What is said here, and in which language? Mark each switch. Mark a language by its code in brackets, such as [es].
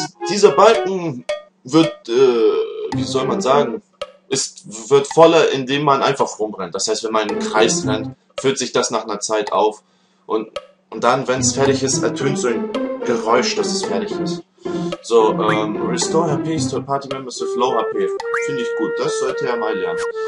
[de] Dieser Balken wird, wie soll man sagen, wird voller, indem man einfach rumrennt. Das heißt, wenn man im Kreis rennt, füllt sich das nach einer Zeit auf. Und dann, wenn es fertig ist, ertönt so ein Geräusch, dass es fertig ist. [en] So, Restore HP to Party Members with Low HP. [de] Finde ich gut, das sollte er mal lernen.